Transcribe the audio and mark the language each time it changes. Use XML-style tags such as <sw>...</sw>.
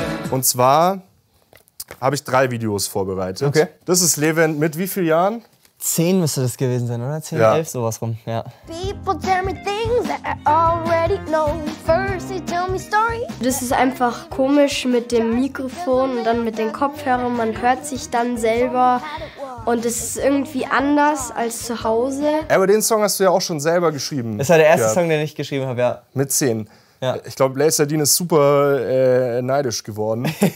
<de>Und zwar habe ich 3 Videos vorbereitet. Okay. Das ist Levin mit wie vielen Jahren? 10 müsste das gewesen sein, oder? 10, 11, sowas rum. Ja.</de> <en>People tell me things that I already know. First they tell me story.</en> <de>Das ist einfach komisch mit dem Mikrofon und dann mit den Kopfhörern. Man hört sich dann selber und es ist irgendwie anders als zu Hause. Aber den Song hast du ja auch schon selber geschrieben. Das war der erste Song, den ich geschrieben habe, Mit 10. Ja. Ich glaube, Laith Aldean ist super neidisch geworden.</de>